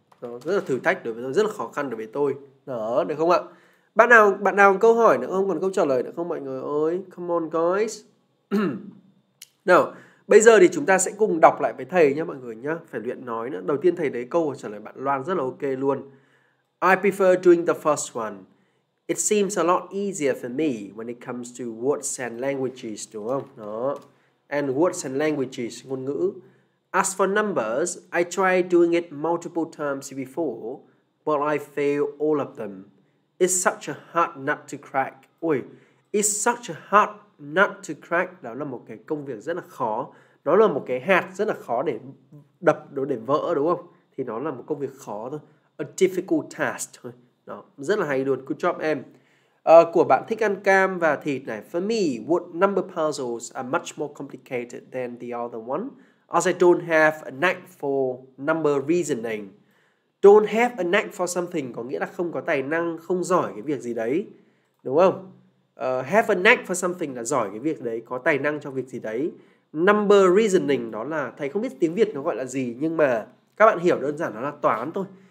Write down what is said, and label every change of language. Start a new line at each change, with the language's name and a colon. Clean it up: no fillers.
Vietnamese: Đó, rất là thử thách đối với tôi, rất là khó khăn đối với tôi. Đó, được không ạ? Bạn nào câu hỏi nữa không? Còn câu trả lời nữa không mọi người ơi? Come on guys. Nào, bây giờ thì chúng ta sẽ cùng đọc lại với thầy nhá mọi người nhá. Phải luyện nói nữa. Đầu tiên thầy đấy câu trả lời bạn Loan rất là ok luôn.
English: I prefer doing the first one. It seems a lot easier for me when it comes to words and languages, đúng không? Đó. And words and languages, ngôn ngữ. As for numbers, I tried doing it multiple times before, but I failed all of them. It's such a hard nut to crack. Ui, it's such a hard nut to crack.
Vietnamese: Đó là một cái công việc rất là khó. Đó là một cái hạt rất là khó để đập, để vỡ, đúng không? Thì nó là một công việc khó thôi. A difficult task thôi. Đó, rất là hay luôn, good job em. Của bạn thích ăn cam và thịt này.
English: For me, word number puzzles are much more complicated than the other one, as I don't have a knack for number reasoning.
Vietnamese: Don't have a knack for something có nghĩa là không có tài năng, không giỏi cái việc gì đấy, đúng không? Have a knack for something là giỏi cái việc đấy, có tài năng cho việc gì đấy. Number reasoning đó là, thầy không biết tiếng Việt nó gọi là gì, nhưng mà các bạn hiểu đơn giản nó là toán thôi.